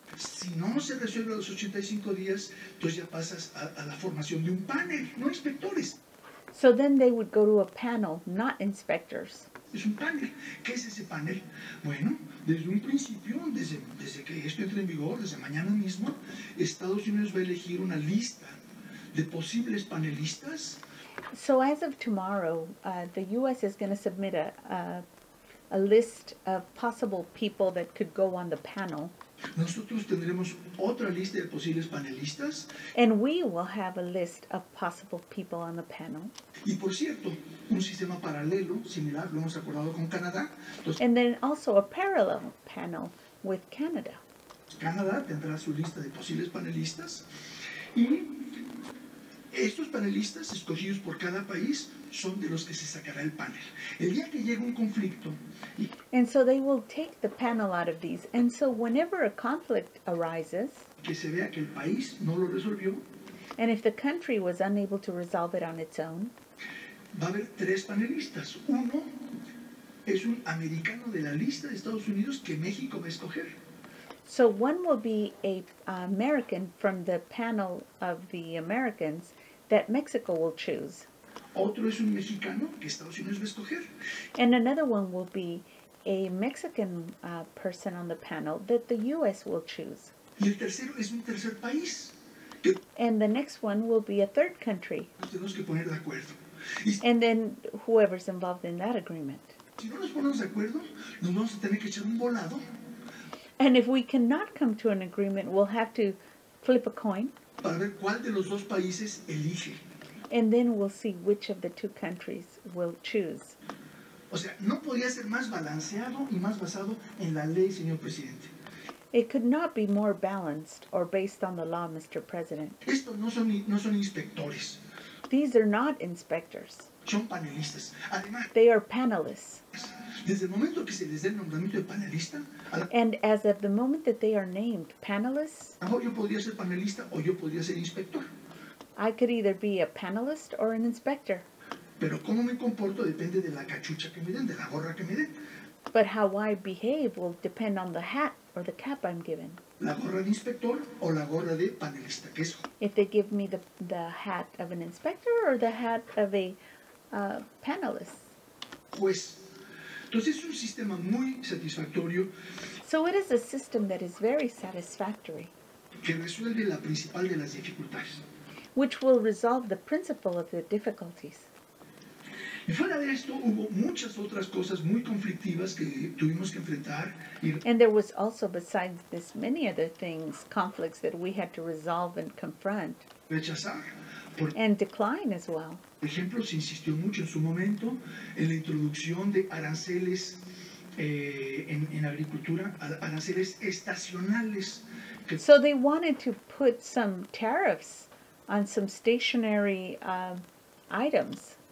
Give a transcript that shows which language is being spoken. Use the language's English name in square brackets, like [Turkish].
[Spanish] Si no se resuelve los 85 días, entonces ya pasas a la formación de un panel, no inspectores. [English] So then they would go to a panel, not inspectors. [Spanish] Es un panel. ¿Qué es ese panel? Bueno, desde un principio, desde que esto entre en vigor, desde mañana mismo, Estados Unidos va a elegir una lista de posibles panelistas. [English] So as of tomorrow, the U.S. is going to submit a list of possible people that could go on the panel. [Spanish] Nosotros tendremos otra lista de posibles panelistas. [English] And we will have a list of possible people on the panel. [Spanish] Y por cierto, un sistema paralelo, similar, lo hemos acordado con Canadá. Entonces, [English] and then also a parallel panel with Canada. [Spanish] Canadá tendrá su lista de posibles panelistas. Y estos panelistas, escogidos por cada país, son de los que se sacará el panel. El día que llegue un conflicto... [English] And so they will take the panel out of these. And so whenever a conflict arises... [Spanish] Que se vea que el país no lo resolvió... [English] And if the country was unable to resolve it on its own... [Spanish] Va a haber tres panelistas. Uno es un americano de la lista de Estados Unidos que México va a escoger. [English] So one will be a American from the panel of the Americans that Mexico will choose. [Spanish] Otro es un mexicano que Estados Unidos va a escoger. [English] And another one will be a Mexican person on the panel that the U.S. will choose. [Spanish] Y el tercero es un tercer país. Que... [English] And the next one will be a third country. [Spanish] Nos tenemos que poner de acuerdo. [English] And then whoever's involved in that agreement. [Spanish] Si no nos ponemos de acuerdo, nos vamos a tener que echar un volado. [English] And if we cannot come to an agreement, we'll have to flip a coin. [Spanish] Para ver cuál de los dos países elige. [English] And then we'll see which of the two countries will choose. [Spanish] O sea, no podía ser más balanceado y más basado en la ley, señor presidente. [English] It could not be more balanced or based on the law, Mr. President. [Spanish] Estos no son inspectores. [English] These are not inspectors. [Spanish] Son panelistas. Además, [English] they are panelists. [Spanish] Desde el momento que se les dé el nombramiento de panelista, [English] and as of the moment that they are named panelists, [Spanish] yo podría ser panelista o yo podría ser inspector. [English] I could either be a panelist or an inspector. [Spanish] Pero cómo me comporto depende de la cachucha que me den, de la gorra que me den. [English] But how I behave will depend on the hat or the cap I'm given. [Spanish] La gorra de inspector o la gorra de panelista, ¿qué es? [English] If they give me the hat of an inspector or the hat of a panelist. [Spanish] Pues, entonces es un sistema muy satisfactorio. [English] So it is a system that is very satisfactory. [Spanish] Que resuelve la principal de las dificultades. [English] Which will resolve the principle of the difficulties. [Spanish] Y fuera de esto, hubo muchas otras cosas muy conflictivas que tuvimos que enfrentar. [English] And there was also, besides this, many other things, conflicts that we had to resolve and confront. [Spanish] Rechazar. [English] And decline as well. [Spanish] Por ejemplo, se insistió mucho en su momento en la introducción de aranceles en agricultura, aranceles estacionales. [English] So they wanted to put some tariffs on some stationary items.